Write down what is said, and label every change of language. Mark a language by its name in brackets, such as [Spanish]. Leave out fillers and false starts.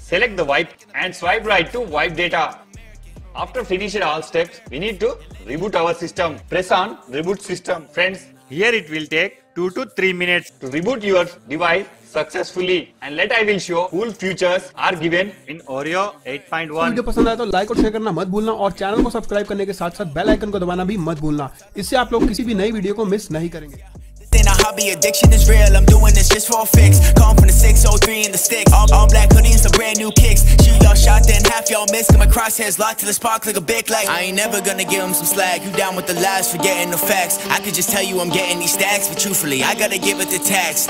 [English] Select the wipe and swipe right to wipe data. After finishing all steps, we need to reboot our system. Press on reboot system. Friends, here it will take 2 to 3 minutes to reboot your device successfully. And let I will show cool features are given in Oreo 8.1. [Hindi] Video पसंद आया तो like और share करना मत भूलना और channel को subscribe करने के साथ साथ बेल आइकन को दबाना भी मत भूलना. इससे आप लोग किसी भी नई वीडियो को मिस नहीं करेंगे. [English] A hobby addiction is real. I'm doing this just for a fix. Calling from the 603 in the stick. All black hoodie and some brand new kicks. Shoot y'all shot, then half y'all miss. Come across heads locked till the spark like a big light. I ain't never gonna give him some slack. You down with the lies, forgetting the facts. I could just tell you I'm getting these stacks, but truthfully, I gotta give it the tax.